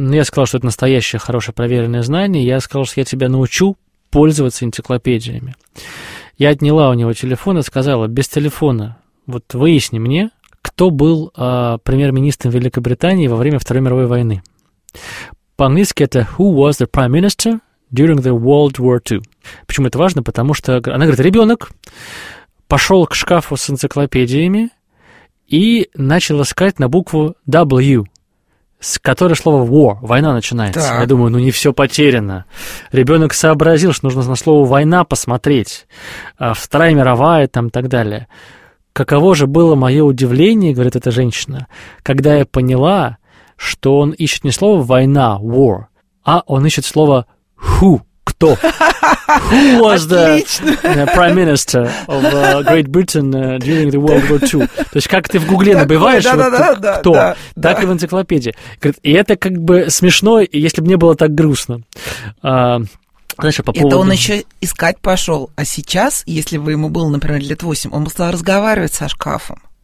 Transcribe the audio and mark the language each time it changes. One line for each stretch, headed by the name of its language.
Russian: Я сказал, что это настоящее, хорошее, проверенное знание. Я сказал, что я тебя научу пользоваться энциклопедиями. Я отняла у него телефон и сказала: без телефона, вот выясни мне, кто был премьер-министром Великобритании во время Второй мировой войны. По-английски это
English: «Who was the prime minister during the World War II?»
Russian: Почему это важно? Потому что она говорит: ребенок пошел к шкафу с энциклопедиями и начал искать на букву W, с которой слово war, война начинается. Да. Я думаю, ну не все потеряно. Ребенок сообразил, что нужно на слово война посмотреть, Вторая мировая там и так далее. Каково же было мое удивление, говорит эта женщина, когда я поняла, что он ищет не слово война, war, а он ищет слово who. Кто?
English: Who was the prime minister of Great Britain during the World War II?
Russian: То есть как ты в Гугле набиваешь, вот, кто? Так и в энциклопедии. И это как бы смешно, если бы не было так грустно. Знаешь, по поводу... Это он еще искать пошел. А сейчас, если бы ему было, например, лет 8, он бы стал разговаривать со шкафом.